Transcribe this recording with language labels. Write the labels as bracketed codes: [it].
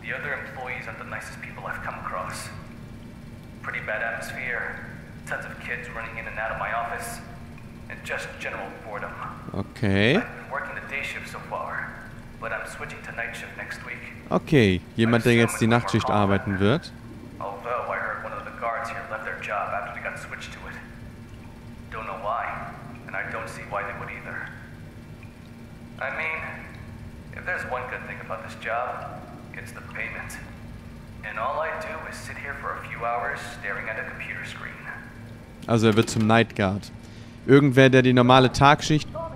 [en] The other employees aren't the nicest people I've come across. Pretty bad atmosphere. Tons of kids running in and out of my office. And just general boredom. Okay. I've been working the day shift so far, but I'm switching to night shift next week. [de] Okay, jemand, der jetzt die Nachtschicht arbeiten wird. [en] Although I heard one of the guards here left their job after they got switched to it. Don't know why, and I don't see why they would either. I mean, if there's one good thing about this job, it's the payment. And all I do is sit here for a few hours staring at a computer screen. [de] Also er wird zum Night Guard. Irgendwer, der die normale Tagschicht...